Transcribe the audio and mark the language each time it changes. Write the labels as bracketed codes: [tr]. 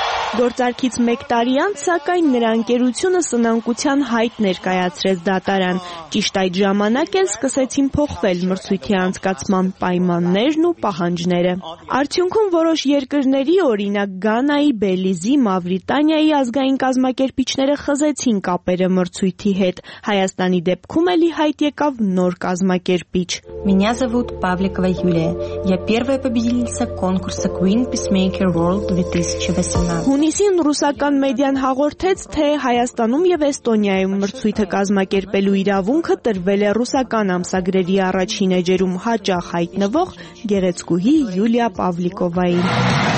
[hy] Գործարքից 1 տարի անց, սակայն նրա ընկերությունը սնանկության հայտ ներկայացրեց դատարան։ Ճիշտ այդ ժամանակ էլ սկսեցին փոխվել մրցույթի անցկացման պայմաններն ու պահանջները։ Արդյունքում որոշ երկրների, օրինակ Գանայի, Բելիզի, Մավրիտանիայի ազգային կազմակերպիչները խզեցին կապերը մրցույթի հետ։ Հայաստանի դեպքում էլի հայտ եկավ նոր կազմակերպիչ։ [ru] Меня зовут Павликова Юлия. Я первая победительница конкурса Queen Peacemaker World 2018. [hy] Հունիսին ռուսական մեդիան հաղորդեց, թե Հայաստանում եւ Էստոնիայում մրցույթը կազմակերպելու իրավունքը տրվել է ռուսական ամսագրերի առաջին էջերում հաճախ հայտնվող գեղեցկուհի Յուլիա Պավլիկովային։